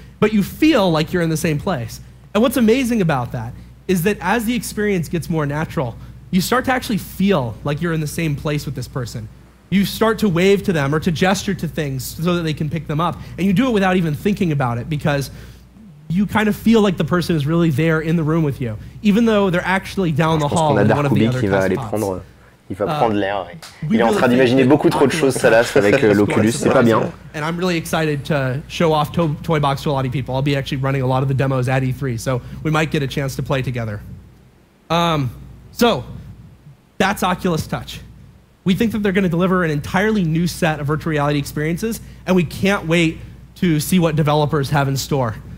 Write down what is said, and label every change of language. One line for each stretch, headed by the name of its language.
English: But you feel like you're in the same place. And what's amazing about that is that as the experience gets more natural, you start to actually feel like you're in the same place with this person. You start to wave to them or to gesture to things so that they can pick them up. And you do it without even thinking about it because you kind of feel like the person is really there in the room with you, even though they're actually down the hall in one of the other test pods.
French: Il va prendre l'air. Il est en train d'imaginer beaucoup trop de choses, Salas, avec l'Oculus. C'est pas bien.
English: And I'm really excited to show off Toybox to a lot of people. I'll be actually running a lot of the demos at E3, so we might get a chance to play together. So that's Oculus Touch. We think that they're going to deliver an entirely new set of virtual reality experiences, and we can't wait to see what developers have in store.